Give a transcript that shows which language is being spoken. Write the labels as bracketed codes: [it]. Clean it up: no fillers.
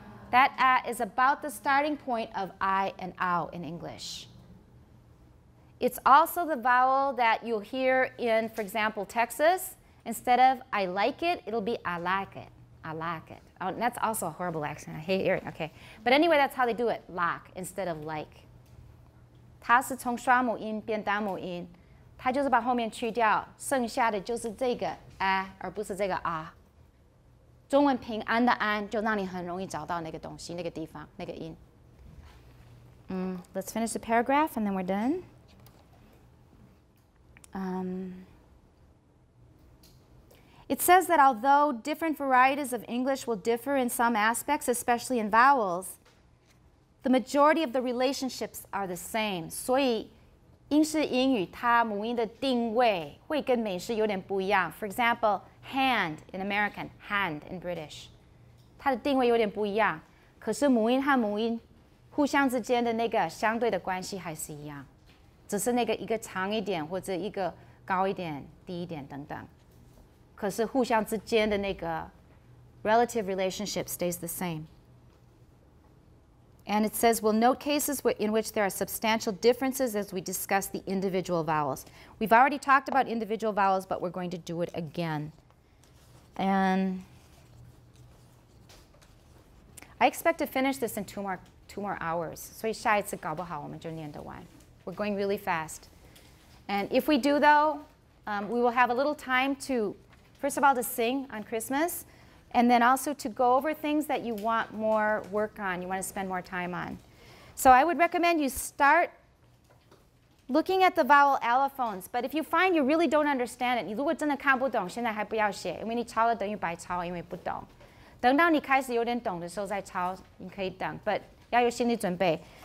[en] That a is about the starting point of I and ow in English. It's also the vowel that you'll hear in, for example, Texas. Instead of I like it, it'll be I like it. I like it. Oh, and that's also a horrible accent. I hate hearing. Okay. But anyway, that's how they do it. Lock instead of like. [zh] 它是从双母音变单母音, 它就是把后面去掉,剩下的就是这个 啊,而不是这个 啊. 中文平安的安就让你很容易找到那个东西,那个地方,那个音. [en] Let's finish the paragraph and then we're done. It says that although different varieties of English will differ in some aspects, especially in vowels, the majority of the relationships are the same. [zh] 所以英式英语它母音的定位会跟美式有点不一样. [en] For example, hand in American, hand in British. [zh] 它的定位有点不一样, 可是母音和母音互相之间的那个相对的关系还是一样, 只是那个一个长一点或者一个高一点低一点等等. 可是互相之间的那个 [en] relative relationship stays the same. And it says, we'll note cases in which there are substantial differences as we discuss the individual vowels. We've already talked about individual vowels, but we're going to do it again. And I expect to finish this in two more hours. [zh] 所以下一次搞不好我们就念得完. [en] We're going really fast. And if we do, though, we will have a little time to, first of all, to sing on Christmas, and then also to go over things that you want more work on, you want to spend more time on. So I would recommend you start looking at the vowel allophones, but if you find you really don't understand it, [zh] 你如果真的看不懂,现在还不要写,因为你抄了等于白抄,因为不懂。等到你开始有点懂的时候再抄,你可以等, [en] but [zh] 要有心理准备.